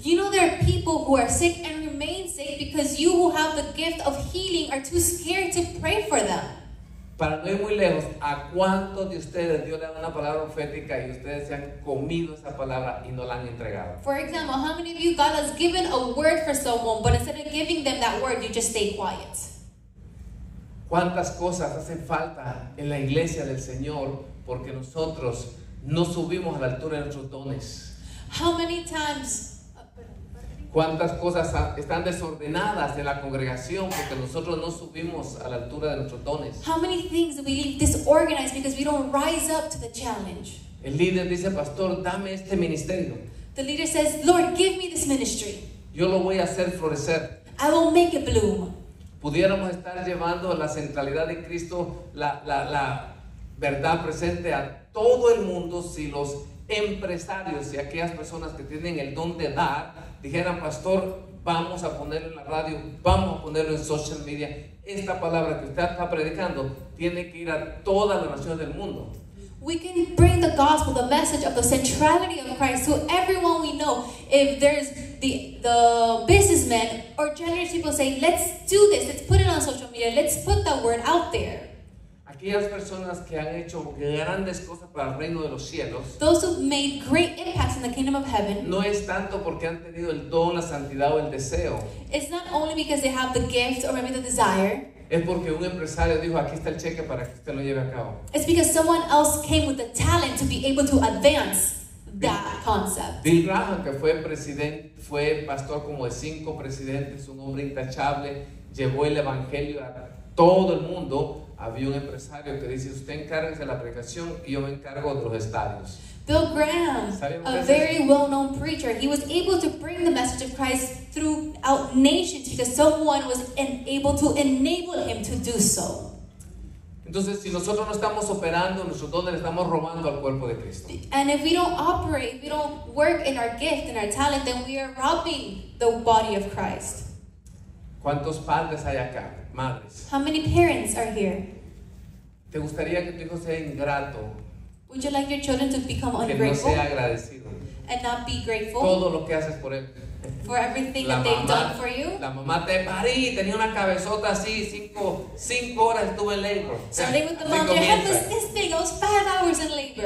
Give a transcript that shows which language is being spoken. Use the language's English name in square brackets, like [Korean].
[English] You know there are people who are sick and remain sick because you who have the gift of healing are too scared to pray for them. [Spanish] Para no ir muy lejos, ¿a cuántos de ustedes Dios le da una palabra profética y ustedes se han comido esa palabra y no la han entregado? [English] For example, how many of you God has given a word for someone, but instead of giving them that word, you just stay quiet? [Spanish] ¿Cuántas cosas hacen falta en la iglesia del Señor porque nosotros no subimos a la altura de nuestros dones? [English] How many times? [Spanish] ¿Cuántas cosas están desordenadas en la congregación porque nosotros no subimos a la altura de nuestros dones? [English] How many things do we leave disorganized because we don't rise up to the challenge? [Spanish] El líder dice, pastor, dame este ministerio. [English] The leader says, Lord, give me this ministry. [Spanish] Yo lo voy a hacer florecer. [English] I will make it bloom. [Spanish] Pudiéramos estar llevando la centralidad de Cristo, la verdad presente a todo el mundo si los empresarios y aquellas personas que tienen el don de dar dijeran, pastor, vamos a ponerlo en la radio, vamos a ponerlo en social media. Esta palabra que usted está predicando tiene que ir a todas las naciones del mundo. [English] We can bring the gospel, the message of the centrality of Christ to everyone we know. If there's the businessmen or generous people say, let's do this, let's put it on social media, let's put that word out there. [Spanish] Aquellas personas que han hecho grandes cosas para el reino de los cielos, [English] those who've made great impacts in the kingdom of heaven, [Spanish] no es tanto porque han tenido el don, la santidad o el deseo. [English] It's not only because they have the gift or maybe the desire. [Spanish] Es porque un empresario dijo, aquí está el cheque para que usted lo lleve a cabo. [English] It's because someone else came with the talent to be able to advance that concept. [Spanish] Bill Graham, que fue presidente, fue pastor como de 5 presidentes, un hombre intachable, llevó el evangelio a todo el mundo. Había un empresario que dice, usted encárguese de la predicación y yo me encargo de los estadios. [English] Bill Graham, a very well-known preacher, he was able to bring the message of Christ throughout nations because someone was able to enable him to do so. [Spanish] Entonces, si nosotros no estamos operando, nosotros dónde le estamos robando al cuerpo de Cristo. [English] And if we don't operate, if we don't work in our gift, in our talent, then we are robbing the body of Christ. [Spanish] ¿Cuántos padres hay acá? Madres. [English] How many parents are here? [Spanish] ¿Te gustaría que tu hijo sea ingrato? [English] Would you like your children to become ungrateful? [Spanish] Que no sea agradecido. [English] And not be grateful? [Spanish] Todo lo que haces por él. [English] For everything that they've done for you? [Spanish] La mamá te parí, tenía una cabezota así, cinco horas estuve en labor. [English] Starting with the mom, your head was this big, I was 5 hours in labor.